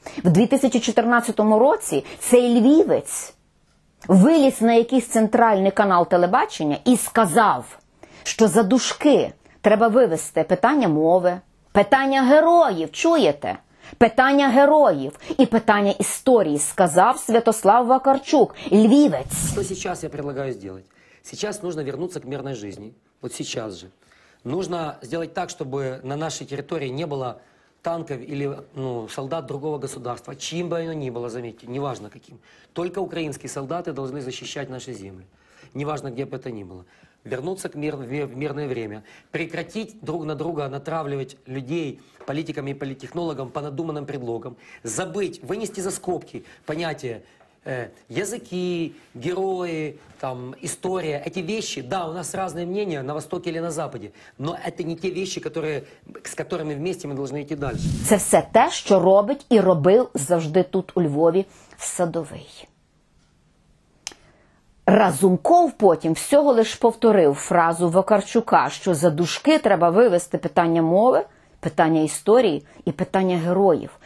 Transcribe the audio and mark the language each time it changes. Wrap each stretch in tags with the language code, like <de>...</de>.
<uk>В 2014 році цей львівець виліз на якийсь центральний канал телебачення і сказав, що за дужки треба вивести питання мови, питання героїв, чуєте? Питання героїв і питання історії, сказав Святослав Вакарчук, львівець. Що зараз я пропоную зробити? Зараз потрібно повернутися до мирної житті. От зараз же.</uk> <ru>Нужно сделать так, чтобы на нашей территории не было танков или солдат другого государства, чьим бы оно ни было, заметьте, неважно каким. Только украинские солдаты должны защищать наши земли, неважно где бы это ни было. Вернуться к в мирное время, прекратить друг на друга натравливать людей политикам и политтехнологам по надуманным предлогам, забыть, вынести за скобки понятие языки, герои, там, история, эти вещи, да, у нас разные мнения на Востоке или на Западе, но это не те вещи, которые, с которыми вместе мы должны идти дальше.</ru> <uk>Це все те, що робить і робив завжди тут у Львові Садовий. Разумков потім всього лиш повторив фразу Вакарчука, що за дужки треба вивести питання мови, питання історії і питання героїв.</uk>